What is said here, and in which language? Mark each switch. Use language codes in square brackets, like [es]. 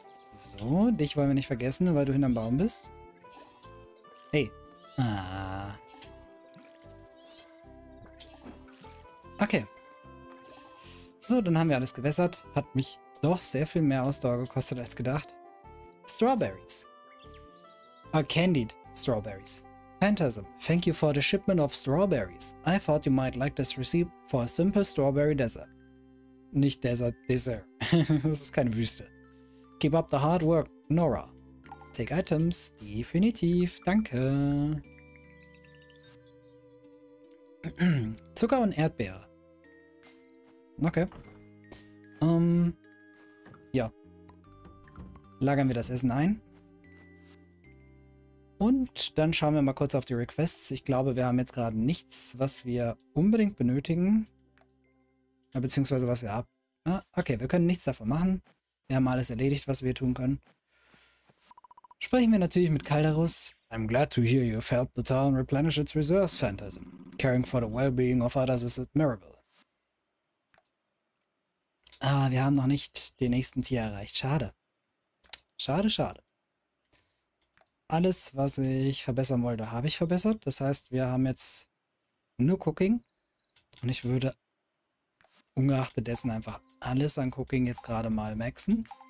[de] So, dich wollen wir nicht vergessen, weil du hinterm Baum bist. Hey. Ah. Okay. So, dann haben wir alles gewässert. Hat mich doch sehr viel mehr Ausdauer gekostet als gedacht. [en] Strawberries. A candied strawberries. Phantasm, thank you for the shipment of strawberries. I thought you might like this receipt for a simple strawberry dessert. [de] Nicht Desert, Dessert. Das ist keine Wüste. [en] Keep up the hard work, Nora. Take items, [de] definitiv, danke. Zucker und Erdbeere. Okay. Ja. Lagern wir das Essen ein. Und dann schauen wir mal kurz auf die Requests. Ich glaube, wir haben jetzt gerade nichts, was wir unbedingt benötigen. Ja, beziehungsweise was wir ab. Ah, okay, wir können nichts davon machen. Wir haben alles erledigt, was wir tun können. Sprechen wir natürlich mit Calderus. [en] I'm glad to hear you've helped the town replenish its reserves, Phantasm. Caring for the well-being of others is admirable. [de] Ah, wir haben noch nicht den nächsten Tier erreicht. Schade. Schade, schade. Alles, was ich verbessern wollte, habe ich verbessert. Das heißt, wir haben jetzt nur Cooking. Und ich würde ungeachtet dessen einfach alles an Cooking jetzt gerade mal maxen.